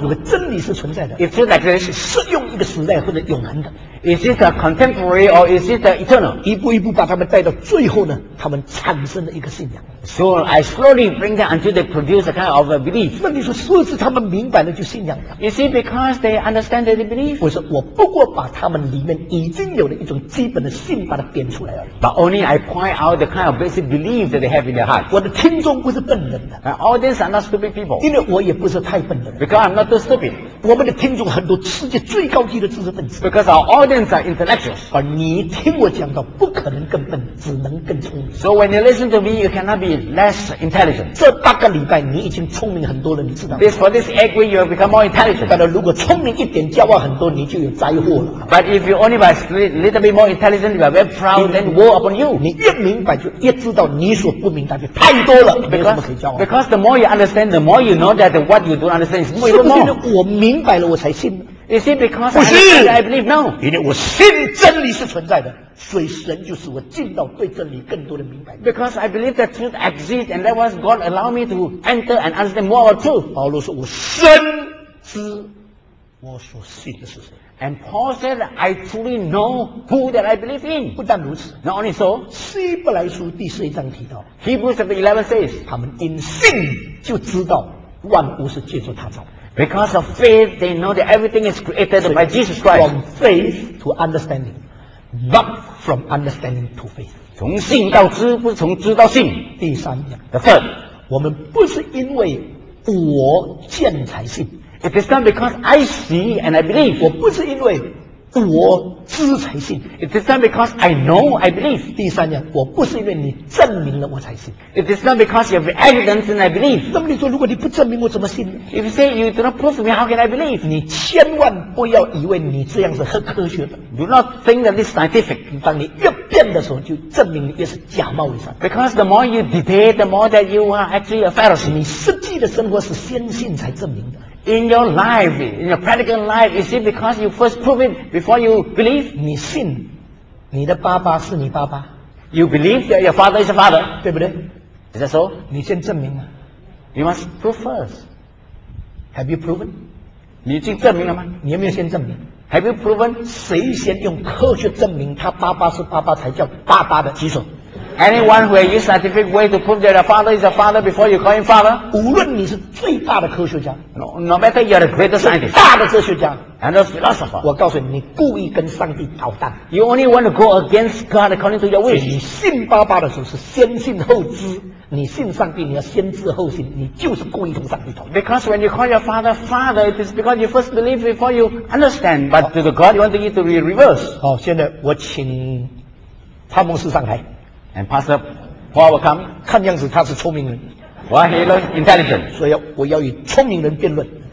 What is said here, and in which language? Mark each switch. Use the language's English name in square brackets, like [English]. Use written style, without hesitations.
[Chinese] 如果真理是存在的 [English] If truth exists, [Chinese] 是适用一个时代或者永恒的 [English] Is it contemporary or is it eternal? [Chinese] 一步一步把他们带到最后呢他们产生了一个信仰 [English] So I slowly bring them until they produce a kind of a belief [Chinese] 那你说是不是他们明白了就信仰了 [English] Is it because they understand that they believe? [Chinese] 我说我不过把他们里面已经有了一种基本的信把它点出来而已 [English] But only I point out the kind of belief Is believe that they have in their heart. [Chinese] 我的听众不是笨人的。 [English] My audience are not stupid people. [Chinese] 因为我也不是太笨的人。 [English] Because I'm not too stupid. [Chinese] 我们的听众很多世界最高级的知识分子。 [English] Because our audience are intellectuals. [Chinese] 而你听我讲到，不可能更笨，只能更聪明。 [English] So when you listen to me, you cannot be less intelligent. [Chinese] 这八个礼拜你已经聪明很多了，你知道。 [English] This for this 8 weeks you have become more intelligent. [Chinese] 但是如果聪明一点，骄傲很多，你就有灾祸了。 [English] But if you only by little bit more intelligent, you are very proud, then war upon you. [Chinese] 你越明白就越。知道你所不明白的太多了 [English] because the more you understand the more you know that what you don't understand is more [Chinese] 是不是我明白了我才信 [English] is it because I believe no [Chinese] 因为我信真理是存在的所以神就是我进到对真理更多的明白 [English] because I believe that truth exists and that was God allow me to enter and understand more of truth [Chinese] 保罗说我深知我所信的是谁 [English] and Paul said I truly know who that I believe in [Chinese] 不但如此 [English] not only so [Chinese] 希伯来书第四章提到 [English] Hebrews chapter 11 says [Chinese] 他们因信就知道万物是借着他造 [English] because of faith they know that everything is created by Jesus Christ from faith to understanding not from understanding to faith [Chinese] 从信到知不是从知到信第三点 [English] the third [Chinese] 我们不是因为我见才信 [English] It is not because I see and I believe. [Chinese] 我不是因为我知才信。 [English] It is not because I know I believe. [Chinese] 第三样，我不是因为你证明了我才信。 [English] It is not because you have evidence and I believe. [Chinese] 那么你说，如果你不证明，我怎么信 [English] ？If you say you do not prove me, how can I believe? [Chinese] 你千万不要以为你这样是很科学的。 [English] Do not think that this is scientific. [Chinese] 当你越变的时候，就证明你越是假冒伪善。 [English] Because the more you debate, the more that you are actually a fallacy. [Chinese] 你实际的生活是先信才证明的。 [English] In your life, in your practical life, is it because you first prove it before you believe? [Chinese] 你信，你的爸爸是你爸爸。 [English] You believe that your father is a father, [Chinese] 对不对 [English] ？Is that so? [Chinese] 你先证明啊。 [English] You must prove first. Have you proven? [Chinese] 你已经证明了吗？你有没有先证明 [English] ？Have you proven? [Chinese] 谁先用科学证明他爸爸是爸爸才叫爸爸的？举手。 [English] Anyone who has used scientific way to prove that a father is a father before you call him father? [Chinese] 无论你是最大的科学家 [English] No matter you are the greatest scientist [Chinese] 大的哲学家 [English] And a philosopher [Chinese] 我告诉你你故意跟上帝捣蛋 [English] You only want to go against God according to your wish [Chinese] 你信爸爸的时候是先信后知你信上帝，你要先知后信，你就是故意从上帝走。 [English] Because when you call your father father, it is because you first believe before you understand. But to the God, you want it to be reversed. [Chinese] 好，现在我请潘牧师上台。 [English] And Pastor Paul will come. [Chinese] 看样子他是聪明人。 [English] Well, he looks intelligent. [Chinese] 所以我要与聪明人辩论。